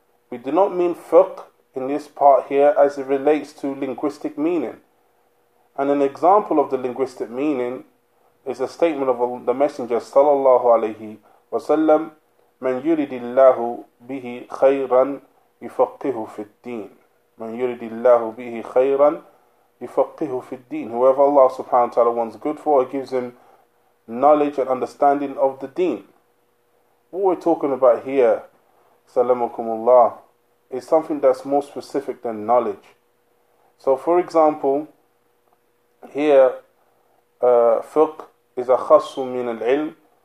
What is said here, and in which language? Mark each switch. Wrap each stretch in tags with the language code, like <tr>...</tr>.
<en>We do not mean fiqh in this part here as it relates to linguistic meaning. And an example of the linguistic meaning is a statement of the Messenger sallallahu alayhi wa sallam,</en> <ar>من يريد الله به خيرا يفقه في الدين. من يريد الله به خيرا يفقه في الدين.</ar> <en>Whoever Allah subhanahu wa ta'ala wants good for, He gives him knowledge and understanding of the deen. What we're talking about here, salamakumullah, is something that's more specific than knowledge. So for example, here, fiqh is a khassu min al-ilm.</en>